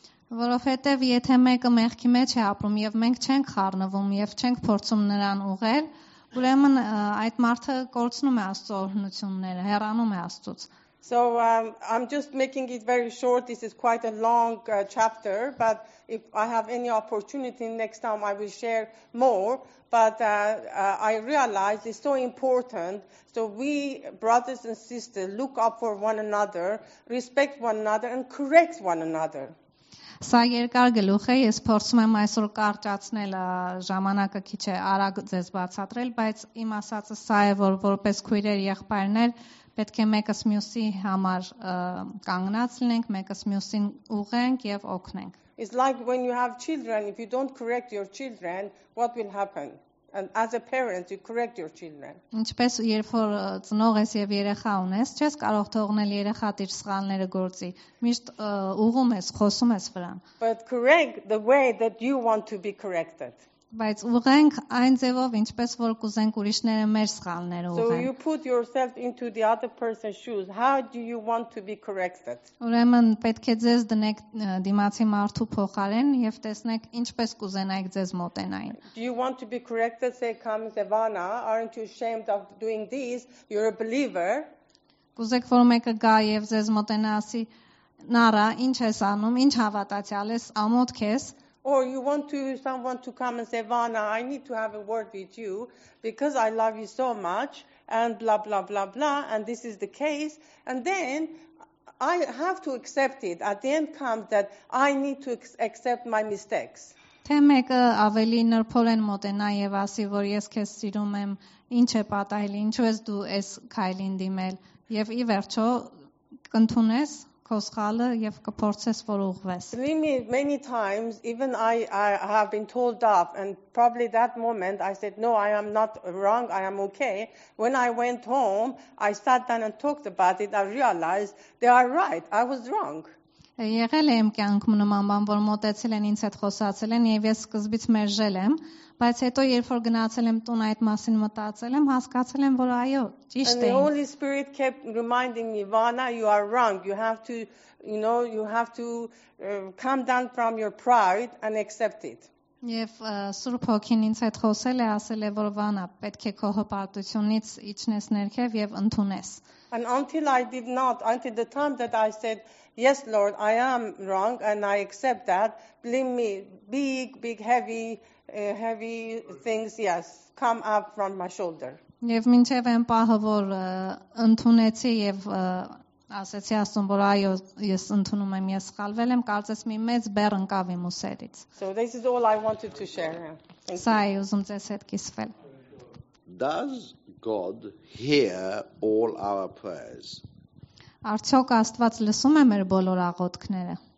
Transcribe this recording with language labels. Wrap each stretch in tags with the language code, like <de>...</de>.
<hy>Որովհետև եթե մեկը մեղքի մեջ է ապրում եւ մենք չենք խառնվում եւ չենք փորձում նրան ուղղել, ուրեմն այդ մարդը կորցնում է Աստծո օրհնությունները, հեռանում է Աստծոց.</hy> <en>So I'm just making it very short. This is quite a long chapter, but if I have any opportunity next time, I will share more. But I realize it's so important. So we, brothers and sisters, look up for one another, respect one another, and correct one another.</en> <hy>Սա երկար գլուխ է, ես փորձում եմ այսօր կարճացնել, ժամանակը քիչ է արագ ձեզ բացատրել, բայց իմ ասածը սա է, որ որպես քույրեր, եղբայրներ, պետք է մեկս մյուսի համար կանգնած լինենք, մեկս մյուսին ուղենք եւ օգնենք.</hy> <en>It's like when you have children, if you don't correct your children, what will happen? And as a parent, you correct your children.</en> <hy>Ինչպես երբ որ ծնող ես եւ երեխա ունես, չես կարող թողնել երեխան իր սխալները գործի։ Միշտ ուղում ես, խոսում ես վրան։</hy> <en>But correct the way that you want to be corrected.</en> <hy>Բայց ուղենք այն ձևով, ինչպես որ կուզենք ուրիշները մեր սխալները ուղեն։</hy> <en>So you put yourself into the other person's shoes. How do you want to be corrected?</en> <hy>Ուրեմն պետք է ձեզ դնեք դիմացի մարդու փոխարեն եւ տեսնեք, ինչպես կուզենայիք ձեզ մոտենային։</hy> <en>Do you want to be corrected? Say, come Zevana, aren't you ashamed of doing this? You're a believer.</en> <hy>Կուզեք, որ մեկը գա եւ ձեզ մոտենա, ասի, Նարա, ինչ ես անում, ինչ հավատացյալ ես, ամոթք ես։</hy> <en>Or you want to someone to come and say, Vana, I need to have a word with you because I love you so much and blah, blah, blah, blah, and this is the case. And then I have to accept it. At the end comes that I need to accept my mistakes.</en> <hy>Թե մեկը ավելի նրբորեն մոտենա եւ ասի, որ ես քեզ սիրում եմ, ինչ է պատահել, ինչու ես դու ես քայլին դիմել, եւ ի վերջո կընդունես հոսքալը եւ կփորձես որ ուղվես.</hy> <en>Many times even I have been told off, and probably that moment I said, no, I am not wrong, I am okay. When I went home, I sat down and talked about it, I realized they are right, I was wrong.</en> <hy>Եղել եմ կյանքում նման բան, որ մտածել են ինձ հետ խոսացել են եւ ես սկզբից մերժել եմ, բայց հետո երբ որ գնացել եմ տուն այդ մասին մտածել եմ, հասկացել եմ, որ այո, ճիշտ էին.</hy> <en>The Holy Spirit kept reminding me, Vana, you are wrong. You have to, you know, you have to come down from your pride and accept it.</en> <hy>Եվ Սուրբ Հոգին ինձ հետ խոսել է, ասել է, որ Վանա, պետք է քո հպարտությունից իջնես ներքև եւ ընդունես։</hy> <en>And until I did not, until the time that I said, yes, Lord, I am wrong and I accept that, blame me, big, big, heavy, heavy things, yes, come up from my shoulder.</en> <hy>Եվ մինչև այն պահը, որ ընդունեցի եւ ասացի Աստծուն, որ այո, ես ընդունում եմ, ես սխալվել եմ, կարծես մի մեծ բեռ ընկավ իմ ուսերից։</hy> <en>So this is all I wanted to share.</en> <hy>Սա է ուզում ձեզ հետ կիսվել։</hy> <en>Does God hear all our prayers?</en> <hy>Արդյոք Աստված լսում է մեր բոլոր աղոթքները։</hy>